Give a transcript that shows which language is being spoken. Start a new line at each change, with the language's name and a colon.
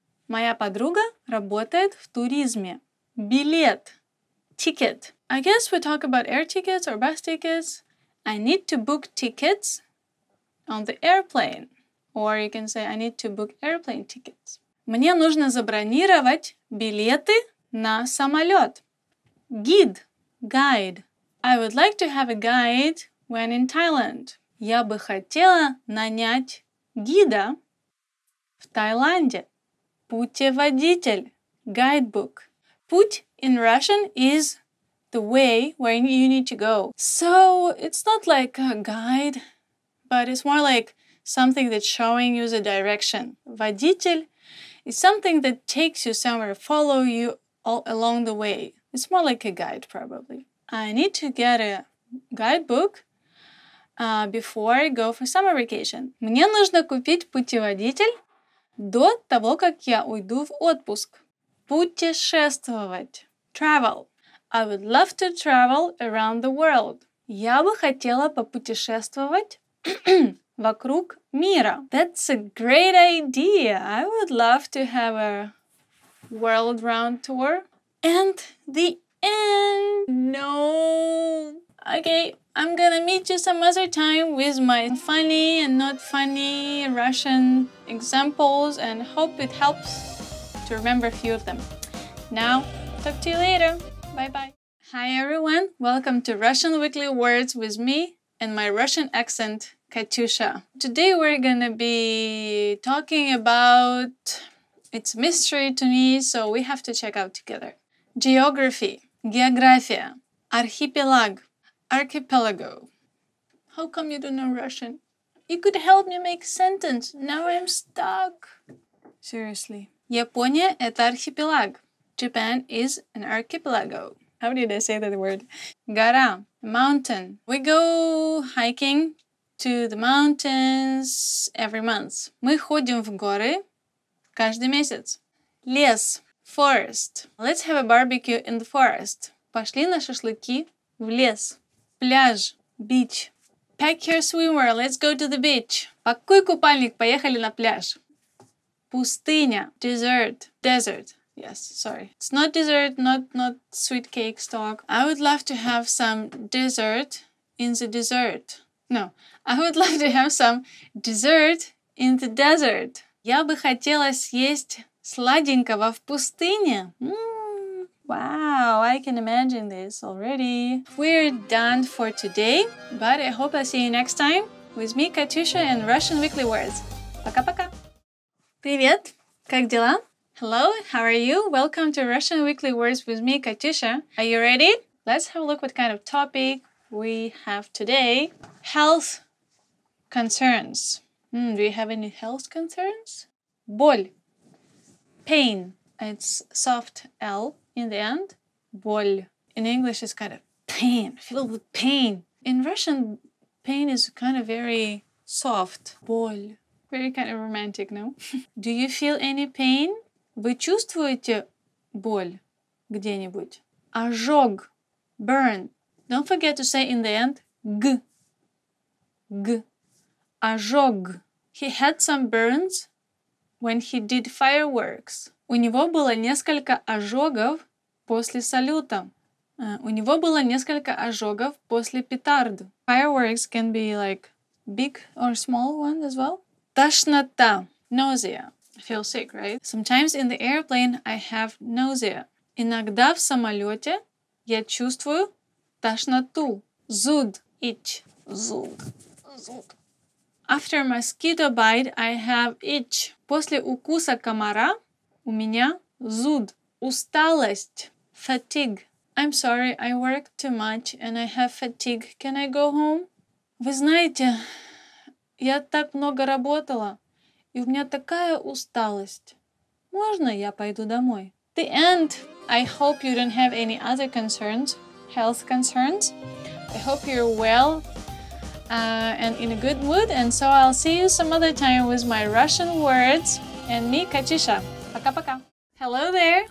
Russian: Моя подруга работает в туризме. Билет. Ticket.
English: I guess we talk about air tickets or bus tickets. I need to book tickets on the airplane. Or you can say, I need to book airplane tickets.
Russian: Мне нужно забронировать билеты на самолет. Гид.
English: Guide. I would like to have a guide when in Thailand.
Russian: Я бы хотела нанять гида в Таиланде. Путеводитель.
English: Guidebook. Путь in Russian is the way where you need to go. So it's not like a guide, but it's more like something that's showing you the direction. Водитель is something that takes you somewhere, follow you all along the way. It's more like a guide, probably. I need to get a guidebook before I go for summer vacation.
Russian: Мне нужно купить путеводитель до того, как я уйду в отпуск. Путешествовать. Travel.
English: I would love to travel around the world.
Russian: Я бы хотела попутешествовать вокруг мира.
English: That's a great idea. I would love to have a world round tour. And the end. No. Okay, I'm gonna meet you some other time with my funny and not funny Russian examples and hope it helps to remember a few of them. Now, talk to you later. Bye-bye. Hi, everyone. Welcome to Russian Weekly Words with me and my Russian accent, Katyusha. Today we're gonna be talking about... It's a mystery to me, so we have to check out together. Geography.
Russian: Geografia.
English: Archipelag. Archipelago. How come you don't know Russian? You could help me make a sentence. Now I'm stuck. Seriously.
Russian: Япония — это архипелаг.
English: Japan is an archipelago. How did I say that word?
Russian: Гора — mountain.
English: We go hiking to the mountains every month.
Russian: Мы ходим в горы каждый месяц.
English: Лес — forest. Let's have a barbecue in the forest.
Russian: Пошли на шашлыки в лес. Пляж
English: — beach. Pack your swimwear, let's go to the beach.
Russian: Пакуй купальник, поехали на пляж. Пустыня.
English: Desert. Desert. Yes, sorry. It's not dessert, not sweet cake talk. I would love to have some dessert in the desert. No, I would love to have some dessert in the desert.
Russian: Я бы хотела съесть сладенького в пустыне.
English: Wow, I can imagine this already. We're done for today, but I hope I see you next time with me, Katyusha, and Russian Weekly Words.
Russian: Пока-пока! Привет! Как дела?
English: Hello, how are you? Welcome to Russian Weekly Words with me, Katyusha. Are you ready? Let's have a look what kind of topic we have today. Health concerns. Do you have any health concerns? Боль. Pain. It's soft L in the end. Боль. In English, it's kind of pain. Feel the pain. In Russian, pain is kind of very soft. Боль. Very kind of romantic, no? Do you feel any pain?
Russian: Вы чувствуете боль где-нибудь? Ожог. Burn.
English: Don't forget to say in the end, г.
Russian: Г. Ожог.
English: He had some burns when he did fireworks.
Russian: У него было несколько ожогов после салюта. У него было несколько ожогов после петард.
English: Fireworks can be like big or small ones as well. Тошнота. Nausea. I feel sick, right? Sometimes in the airplane I have nausea.
Russian: Иногда в самолете я чувствую тошноту.
English: Зуд. Itch. Зуд. Зуд. After mosquito bite, I have itch.
Russian: После укуса комара у меня зуд. Усталость. Fatigue.
English: I'm sorry, I work too much and I have fatigue. Can I go home?
Russian: Вы знаете, я так много работала, и у меня такая усталость. Можно я пойду домой?
English: The end. I hope you don't have any other concerns, health concerns. I hope you're well. And in a good mood, and so I'll see you some other time with my Russian words and me, Katyusha.
Russian: Пока, пока.
English: Hello there.